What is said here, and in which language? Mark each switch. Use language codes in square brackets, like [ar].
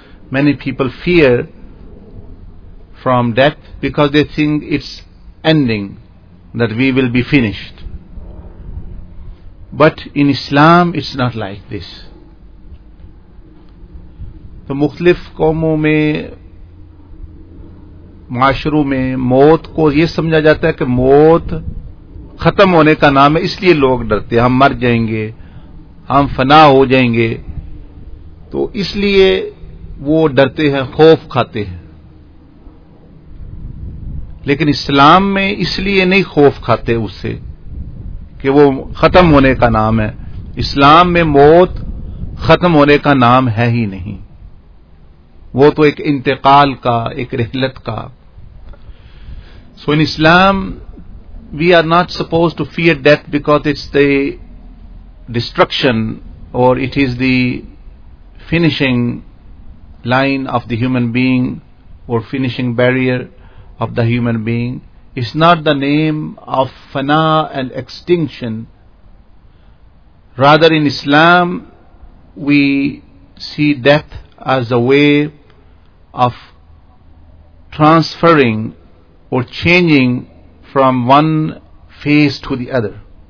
[en] Many people fear from death because they think it's ending, that we will be finished. But in Islam it's not like this. [ur] تو مختلف قوموں میں، معاشروں میں موت کو یہ سمجھا جاتا ہے کہ موت ختم ہونے کا نام ہے، اس لیے لوگ ڈرتے ہیں، ہم مر جائیں گے، ہم فنا ہو جائیں گے، تو اس لیے وہ ڈرتے ہیں، خوف کھاتے ہیں. لیکن اسلام میں اس لیے نہیں خوف کھاتے اس سے کہ وہ ختم ہونے کا نام ہے، اسلام میں موت ختم ہونے کا نام ہے ہی نہیں، وہ تو ایک انتقال کا، ایک رحلت کا. [en] So in Islam we are not suppose to fear death because it's the destruction or it is the finishing line of the human being or finishing barrier of the human being. It's not the name of fana and extinction. Rather in Islam we see death as a way of transferring or changing from one phase to the other.